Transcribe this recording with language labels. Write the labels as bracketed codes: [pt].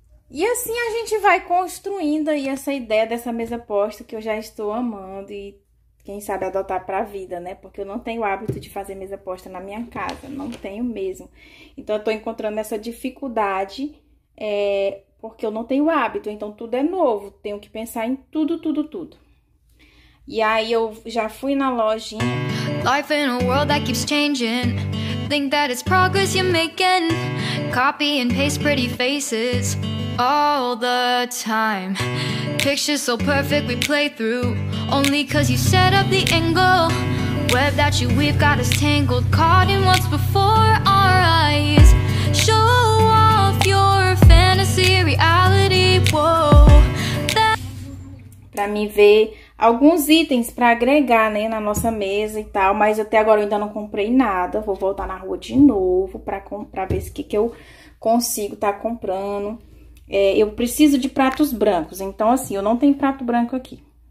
[pt] E assim a gente vai construindo aí essa ideia dessa mesa posta que eu já estou amando e quem sabe adotar para a vida, né? Porque eu não tenho o hábito de fazer mesa posta na minha casa, não tenho mesmo. Então eu tô encontrando essa dificuldade, porque eu não tenho hábito, então tudo é novo, tenho que pensar em tudo, tudo, tudo. E aí eu já fui na lojinha. [en] Life in a world that keeps changing. Think that it's progress you're making. Copy and paste pretty faces. All the time, pictures so perfect we play through. Only 'cause you set up the angle. Web that you weave got us tangled, caught in what's before our eyes. Show off your fantasy reality. [pt] Whoa, para mim ver alguns itens para agregar, né, na nossa mesa e tal, mas até agora eu ainda não comprei nada. Vou voltar na rua de novo para comprar, ver o que que eu consigo estar comprando. É, eu preciso de pratos brancos, então assim, eu não tenho prato branco aqui.